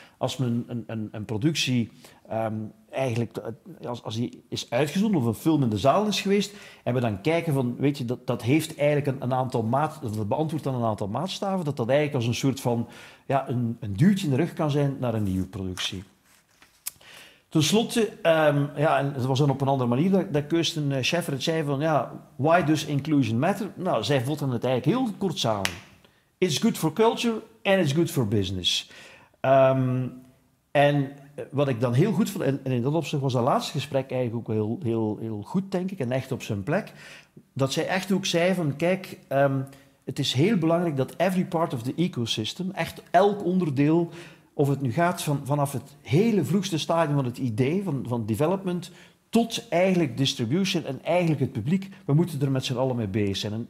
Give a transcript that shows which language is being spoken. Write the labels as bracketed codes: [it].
[nl] Als men een productie eigenlijk als die is uitgezonden of een film in de zaal is geweest, en we dan kijken van, weet je, dat heeft eigenlijk een aantal maat, dat beantwoordt dan een aantal maatstaven, dat eigenlijk als een soort van ja, een duwtje in de rug kan zijn naar een nieuwe productie. Ten slotte, ja, en het was dan op een andere manier dat Kirsten Schaeffer het zei van, ja, [en] why does inclusion matter? [nl] Nou, zij vatte het eigenlijk heel kort samen. [en] It's good for culture and it's good for business. [nl] En wat ik dan heel goed vond, en in dat opzicht was dat laatste gesprek eigenlijk ook heel, heel, heel goed, denk ik, en echt op zijn plek, dat zij echt ook zei van, kijk, het is heel belangrijk dat [en] every part of the ecosystem, [nl] echt elk onderdeel, of het nu gaat vanaf het hele vroegste stadium van het idee, van development, tot eigenlijk distribution en eigenlijk het publiek, we moeten er met z'n allen mee bezig zijn.